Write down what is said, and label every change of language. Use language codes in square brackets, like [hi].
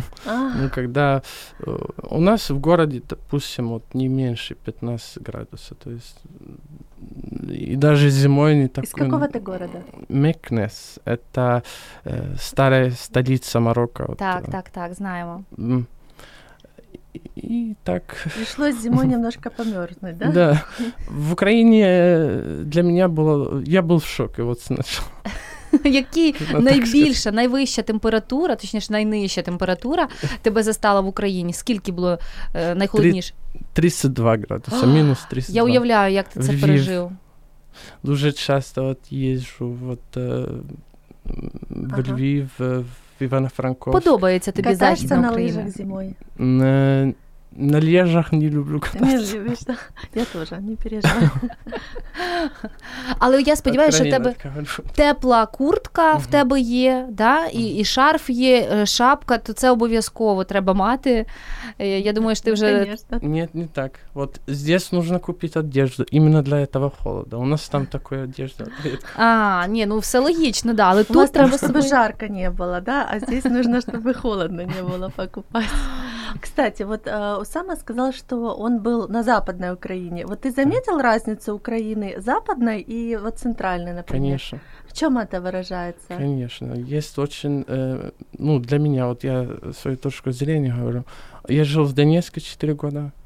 [uk] Ну, коли у нас в місті, допустимо, от не менше 15 градусів, [ru] то есть [uk] і навіть зимою не так. Із якого ти міста? Мекнес. Це стара столиця Марокко. Так, так, так, знаємо. [ru] И так... Пришлось зимой немножко помёрзнуть, да? Да. В Украине для меня было... Я был в шоке вот сначала. [uk] Який найбільша, найвища температура, точніше, найнижча температура тебе застала в Україні? Скільки було найхолодніше? 32 градуса, мінус 32. Я уявляю, як ти це пережив. Дуже часто от їжджу от, в Львів, в Івано-Франковськ. Подобається тобі зайти на Україну? Катаєшся на лижах зимою? [ru] На лежах не люблю кататься. [uk] Не любиш, так? Да? Я теж, не переживаю. Але я сподіваюся, що в тебе тепла куртка в тебе є, да? І шарф є, шапка, то це обов'язково треба мати. Я думаю, що ти вже... Ні, не так. [ru] От здесь нужно купить одежду, именно для этого холода. [uk] У нас там такої одежди. А, ні, ну все логічно, да. Але у тут треба, щоб жарко не було, да? [ru] А здесь нужно, щоб холодно не було покупати. Кстати, вот Усама сказал, что он был на западной Украине. Вот ты заметил разницу Украины западной и вот центральной, например? Конечно. В чем это выражается? Конечно. Есть очень... ну, для меня, вот я свою точку зрения говорю. Я жил в Донецке 4 года.